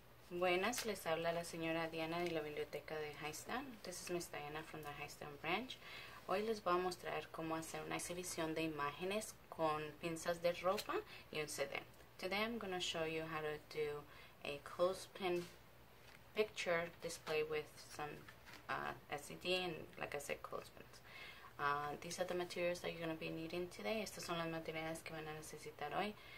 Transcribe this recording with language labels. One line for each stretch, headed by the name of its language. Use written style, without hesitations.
Spanish: Buenas, les habla la señora Diana de la biblioteca de Highstown.
English: This is Miss Diana from the Highstown branch.
Spanish: Hoy les voy a mostrar cómo hacer una exhibición de imágenes con pinzas de ropa y un CD.
English: Today I'm going to show you how to do a clothespin picture display with some SED and, like I said, clothespins. These are the materials that you're going to be needing today.
Spanish: Estos son los materiales que van a necesitar hoy.